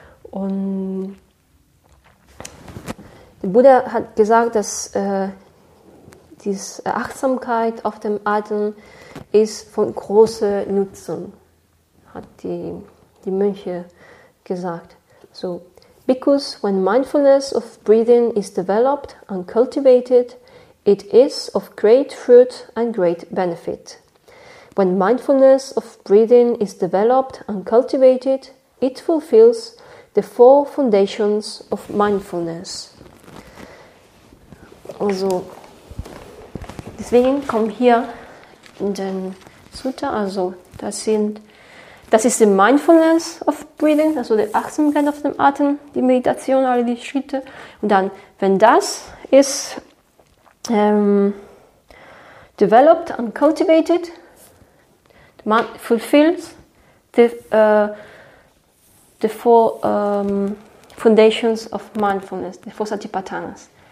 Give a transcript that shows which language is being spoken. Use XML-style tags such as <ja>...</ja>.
<de>Und der Buddha hat gesagt, dass diese Achtsamkeit auf dem Atem ist von großer Nutzung, hat die Mönche gesagt.</de> <en>So, because when mindfulness of breathing is developed and cultivated, it is of great fruit and great benefit. When mindfulness of breathing is developed and cultivated, it fulfills the four foundations of mindfulness.</en> <de>Also, deswegen kommen hier in den Sutta, also das ist die</de> <en>Mindfulness of breathing,</en> <de>also die Achtsamkeit auf dem Atem, die Meditation, alle die Schritte. Und dann, wenn das ist</de> <en>developed and cultivated, fulfills the four foundations of mindfulness, the four satipatthanas.</en>